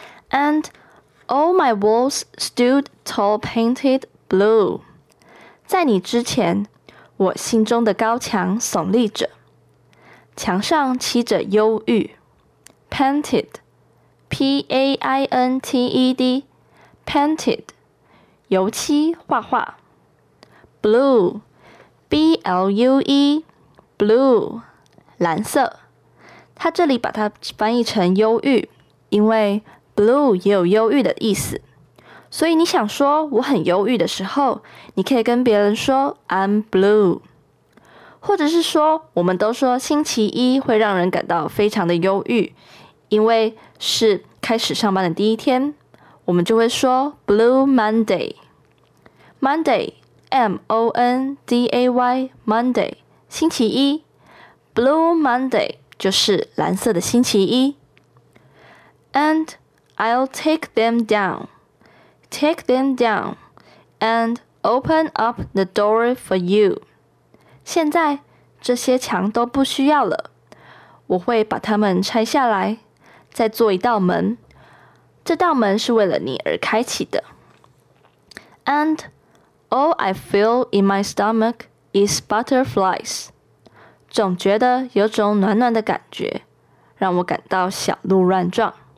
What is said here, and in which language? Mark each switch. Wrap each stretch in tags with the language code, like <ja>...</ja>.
<en>And all my walls stood tall painted blue.</en> <zh>在你之前，我心中的高墙耸立着，墙上漆着忧郁。</zh> <en>Painted, P-A-I-N-T-E-D,Painted,</en> <zh>油漆画画。</zh> <en>Blue, B-L-U-E, blue, 蓝色。</en> <zh>他这里把它翻译成忧郁，因为 blue 也有忧郁的意思。所以你想说我很忧郁的时候，你可以跟别人说</zh> <en>I'm blue。</en> <zh>或者是说，我们都说星期一会让人感到非常的忧郁，因为是开始上班的第一天。我们就会说 Blue Monday.</zh> <en>Monday, M-O-N-D-A-Y, Monday, 星期一。</en> <zh>Blue Monday 就是蓝色的星期一。</zh> <en>And I'll take them down. Take them down and open up the door for you.</en> <zh>现在这些墙都不需要了。我会把它们拆下来，再做一道门。这道门是为了你而开启的。</zh> <en>And all I feel in my stomach is butterflies.</en> <zh>总觉得有种暖暖的感觉，让我感到小鹿乱撞。</zh>